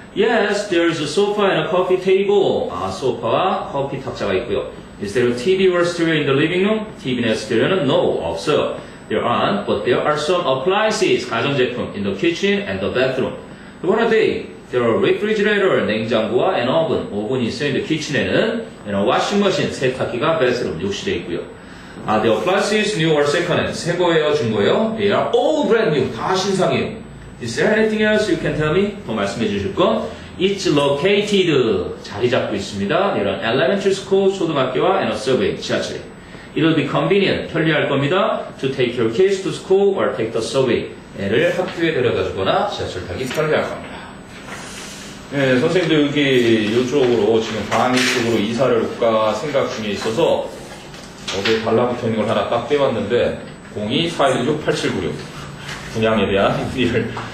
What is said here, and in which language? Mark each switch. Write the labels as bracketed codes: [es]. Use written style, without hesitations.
[en] Yes, there is a sofa and a coffee table. [ko] 아, 소파와 커피 탁자가 있고요. [en] Is there a TV or stereo in the living room? [ko] TV나 스테레오는 no, 없어요. [en] There aren't, but there are some appliances, 가전제품, in the kitchen and the bathroom. What are they? There are refrigerator, [ko] 냉장고와 [en] an oven, [ko] 오븐이 있어요. [en] In the kitchen에는 and a washing machine, [ko] 세탁기가 [en] bathroom, [ko] 욕실에 있고요. [en] Are the appliances new or second-hand? [ko] 새 거예요, 중고예요? [en] They are all brand new, [ko] 다 신상이에요. [en] Is there anything else you can tell me? [ko] 더 말씀해 주실 건 [en] It's located, [ko] 자리 잡고 있습니다. [en] There are elementary school, [ko] 초등학교와 [en] and a subway, 지하철. It'll be convenient, [ko] 편리할 겁니다. [en] To take your kids to school or take the subway. [ko] 애를 학교에 데려다 주거나 지하철 타기 편리할 겁니다. 네, 선생님도 여기 이쪽으로 지금 방위 쪽으로 이사를 올까 생각 중에 있어서 어디에 달라붙어 있는 걸 하나 딱 떼봤는데 02-416-8796 분양에 대한 일을